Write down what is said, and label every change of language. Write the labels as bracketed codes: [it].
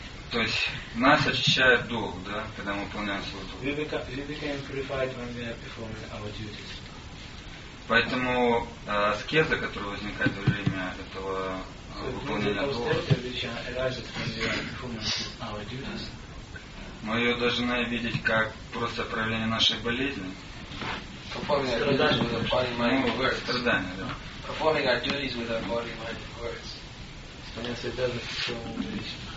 [ru] То есть нас очищает долг, да, когда мы выполняем свой долг. [en] We became purified when we are performing our duties. [ru] Поэтому аскеза, которая возникает во время этого выполнения долга, мы ее должны видеть как просто проявление нашей болезни. Страдания, да. [en] Performing our duties with our body, mind, and words. [ru] Исполняется даже в своем увеличении.